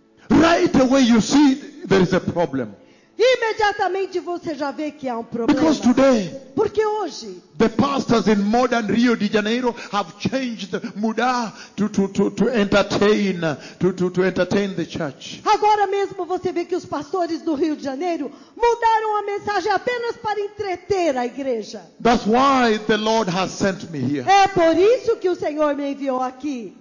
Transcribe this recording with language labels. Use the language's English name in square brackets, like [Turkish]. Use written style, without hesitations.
[English] Right away you see there is a problem. [Portuguese] Imediatamente você já vê que há um problema. [English] Because today, [Portuguese] porque hoje, [English] the pastors in modern Rio de Janeiro have changed mudar to entertain the church. [Portuguese] Agora mesmo você vê que os pastores do Rio de Janeiro mudaram a mensagem apenas para entreter a igreja. [English] That's why the Lord has sent me here. [Portuguese] É por isso que o Senhor me enviou aqui.